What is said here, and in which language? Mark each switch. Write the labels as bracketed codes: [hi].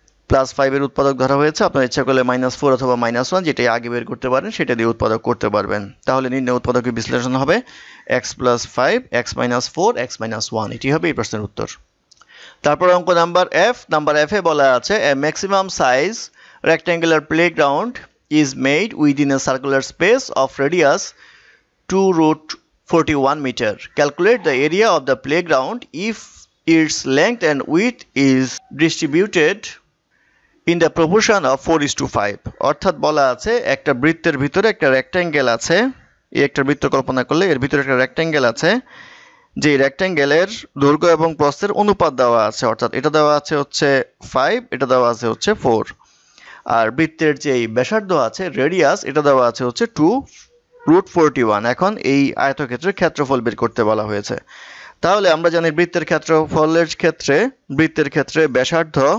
[bn] Plus 5 এর উৎপাদক ধরা হয়েছে আপনারা ইচ্ছা করলে মাইনাস 4 অথবা মাইনাস 1 যেটাই আগে বের করতে পারেন সেটা দিয়ে উৎপাদক করতে পারবেন তাহলে নির্ণয় উৎপাদকের বিশ্লেষণ হবে x plus 5 x minus 4 x minus 1 এটি হবে এই প্রশ্নের উত্তর তারপর অঙ্ক নাম্বার f এ বলা আছে [en] A maximum size rectangular playground is made within a circular space of radius 2 root 41 meter. Calculate the area of the playground if its length and width is distributed in the proportion of 4:5. [bn] অর্থাৎ বলা আছে একটা বৃত্তের ভিতরে একটা rectangle আছে এই একটা বৃত্ত কল্পনা করলে এর ভিতরে একটা রেকট্যাঙ্গেল আছে যে রেকট্যাঙ্গেলের দৈর্ঘ্য এবং প্রস্থের অনুপাত দেওয়া আছে অর্থাৎ এটা দেওয়া আছে হচ্ছে 5 এটা দেওয়া আছে হচ্ছে 4 আর বৃত্তের যে ব্যাসার্ধ আছে রেডিয়াস এটা দেওয়া আছে হচ্ছে 2 রুট 41 এখন এই আয়তক্ষেত্রের ক্ষেত্রফল বের করতে বলা হয়েছে তাহলে আমরা জানি বৃত্তের ক্ষেত্রফলের ক্ষেত্রে বৃত্তের ক্ষেত্রে ব্যাসার্ধ